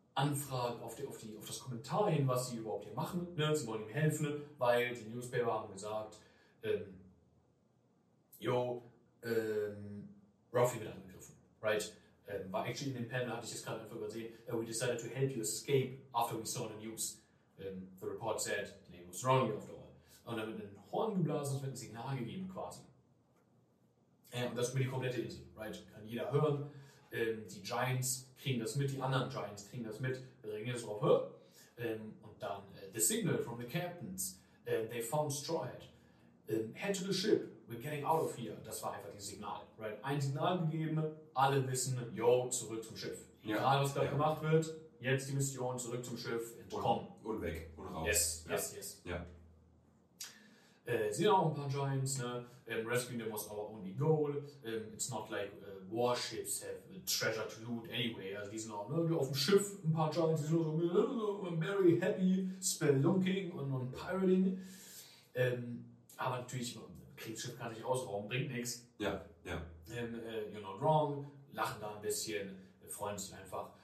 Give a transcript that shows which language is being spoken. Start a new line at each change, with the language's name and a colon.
German: Auf das Kommentar hin, was sie überhaupt hier machen. Ne? Sie wollen ihm helfen, weil die Newspaper haben gesagt, Ruffy wird angegriffen. Right? War actually in dem Panel, hatte ich das gerade einfach übersehen.
English: We decided to help you escape after we saw the news. The report said the Navy was surrounding you after all.
German: Und dann wird ein Horn geblasen, es wird ein Signal gegeben quasi. Und das über die komplette Insel, right? Kann jeder hören. Die Giants kriegen das mit, die anderen Giants kriegen das mit. Regen ist auf Höhe. Und dann
English: the signal from the captains. They found Straw Hat. Head to the ship. We're getting out of here.
German: Das war einfach die Signal, right? Ein Signal gegeben. Alle wissen, yo, zurück zum Schiff. Egal, was gerade gemacht wird. Jetzt die Mission, zurück zum Schiff. Entkommen. Und weg. Und raus.
English: Yes.
German: Ja. Sind auch ein paar Giants, ne?
English: Rescuing them was our only goal. It's not like warships have treasure to loot anyway.
German: Also die sind auch, ne, auf dem Schiff, ein paar Giants, die sind auch so
English: very happy, spelunking und pirating.
German: Aber natürlich, Kriegsschiff kann sich ausrauben, bringt nichts. Ja.
English: You're not wrong,
German: lachen da ein bisschen, freuen sich einfach.